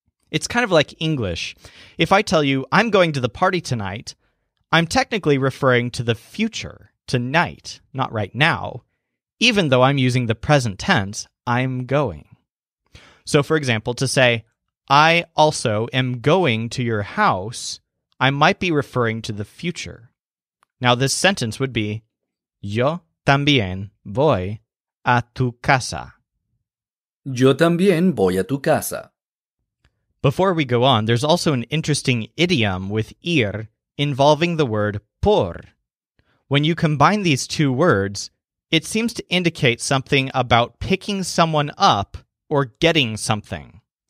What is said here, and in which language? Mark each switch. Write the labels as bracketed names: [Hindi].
[English] It's kind of like English. If I tell you, I'm going to the party tonight, I'm technically referring to the future, tonight, not right now, even though I'm using the present tense, I'm going. So, for example, to say, I also am going to your house, I might be referring to the future. Now, this sentence would be, [Spanish] Yo también voy a tu casa. Yo también voy a tu casa. [English] Before we go on, there's also an interesting idiom with ir involving the word por. When you combine these two words, it seems to indicate something about picking someone up or getting something.